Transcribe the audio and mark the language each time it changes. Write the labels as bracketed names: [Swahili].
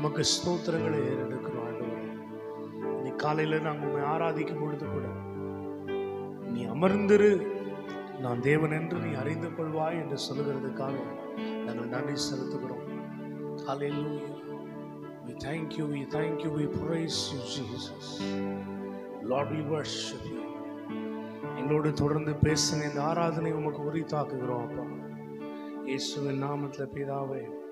[Tamil] ஸ்தோத்திரங்களை ஏறெடுக்கிறோம் ஆண்டவரே. நீ காலையில நாங்கள் உண்மை ஆராதிக்கும் பொழுது கூட நீ அமர்ந்திரு நான் தேவன் என்று நீ அறிந்து கொள்வாய் என்று சொல்லுகிறதுக்காக நாங்கள் நன்றி செலுத்துகிறோம். [English] Hallelujah. We thank you, we thank you, we praise you, Jesus. Lord, we worship you. [Tamil] எங்களோடு தொடர்ந்து பேசுங்க, இந்த ஆராதனை உமக்கு உரித்தாக்குகிறோம் அப்பா, இயேசுவின் நாமத்தில் பிதாவே.